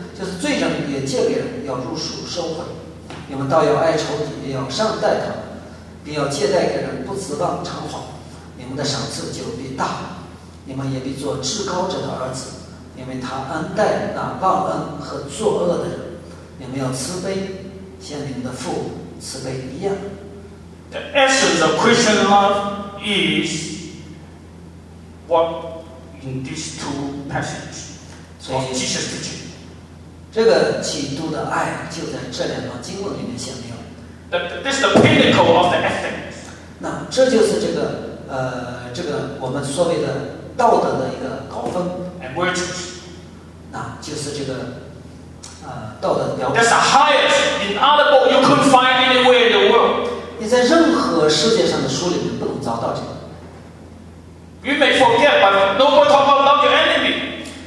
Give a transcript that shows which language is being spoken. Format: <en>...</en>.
<zh>就是罪人也借给人要入数收回。你们倒要爱仇敌，也要善待他们，并要借贷给人，不自忘偿还，你们的赏赐就必大，你们也必做至高者的儿子，因为他恩待那忘恩和作恶的人。你们要慈悲，像你们的父慈悲一样。</zh> <en>The essence of Christian love is what in these two passages of Jesus teaching.</en> <zh>这个基督的爱就在这两段经文里面显明。</zh> <en>This is the pinnacle of the ethic.</en> <zh>那这就是这个我们所谓的道德的一个高峰。</zh> <en>And virtues.</en> <zh>那就是这个道德的标准。</zh> <en>That's the highest in other books you couldn't find anywhere in the world.</en> <zh>你在任何世界上的书里面不能找到这个。</zh> <en>You may forget, but no one talks about love your enemy.</en>